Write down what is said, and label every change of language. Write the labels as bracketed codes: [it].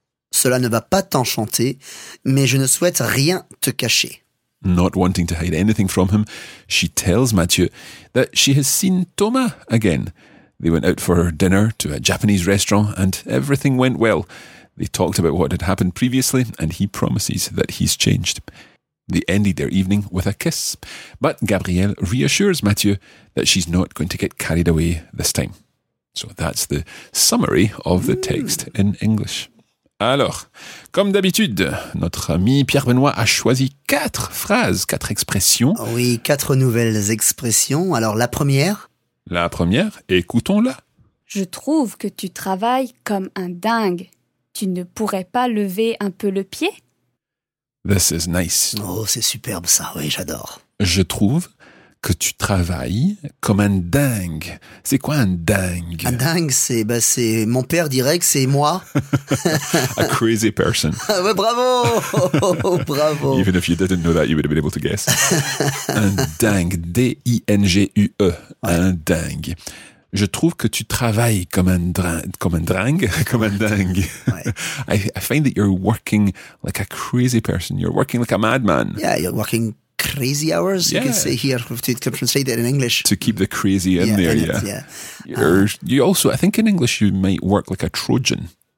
[fr] Cela ne va pas t'enchanter, mais je ne souhaite rien te cacher. [en] Not wanting to hide anything from him, she tells Mathieu that she has seen Thomas again. They went out for dinner to a Japanese restaurant and everything went well. They talked about what had happened previously and he promises that he's changed. They ended their evening with a kiss, but Gabrielle reassures Mathieu that she's not going to get carried away this time. So that's the summary of the text in English. [fr] Alors, comme d'habitude, notre ami Pierre-Benoît a choisi quatre phrases, quatre expressions. Oui, quatre nouvelles expressions. Alors, la première. La première, écoutons-la. Je trouve que tu travailles comme un dingue. Tu ne pourrais pas lever un peu le pied? [en] This is nice. [fr] Oh, c'est superbe ça, oui, j'adore. Je trouve que tu travailles comme un dingue. C'est quoi un dingue? Un dingue, c'est mon père dirait que c'est moi. [en] A crazy person. [fr] Bravo! Bravo! [en] Even if you didn't know that, you would have been able to guess. [fr] Un dingue, D-I-N-G-U-E, ouais. Un dingue. Je trouve que tu travailles comme un dingue. Ouais. [en] I find that you're working like a crazy person. You're working like a madman. Yeah, you're working crazy hours, yeah. You can say here, you can translate that in English. To keep the crazy in there, yeah. You also, I think in English you might work like a Trojan.